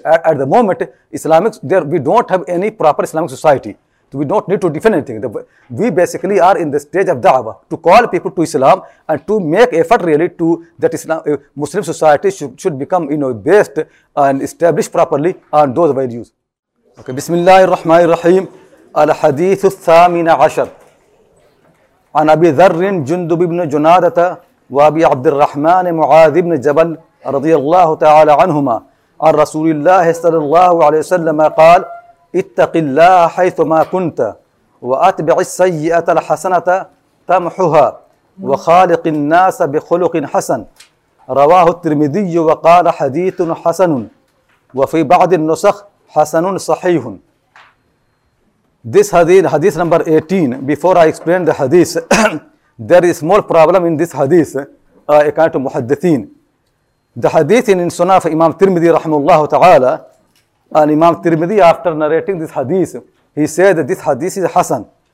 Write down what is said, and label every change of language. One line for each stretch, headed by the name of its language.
English: At the moment, Islamic, there we don't have any proper Islamic society. So we don't need to defend anything. We basically are in the stage of da'wah, to call people to Islam and to make effort really to that Islam, Muslim society should become, you know, based and established properly on those values. Okay, Bismillahir Rahmanir Rahim.
Arabic: Al Hadith الثامن عشر عن أبي ذر جندب بن جنادة وأبي عبد الرحمن معاذ بن جبل رضي الله تعالى عنهما عن رسول الله صلى الله عليه وسلم قال اتق الله حيثما كنت وأتبع السيئة الحسنة تمحها وخالق الناس بخلق حسن رواه الترمذي وقال حديث حسن وفي بعض النسخ حسن صحيح.
English: This hadith number 18, before I explain the hadith, there is small problem in this hadith, according to Muhaddithin. The hadith in Sunnah of Imam Tirmidhi rahimahullah ta'ala, and Imam Tirmidhi after narrating this hadith, he said that this hadith is Hasan.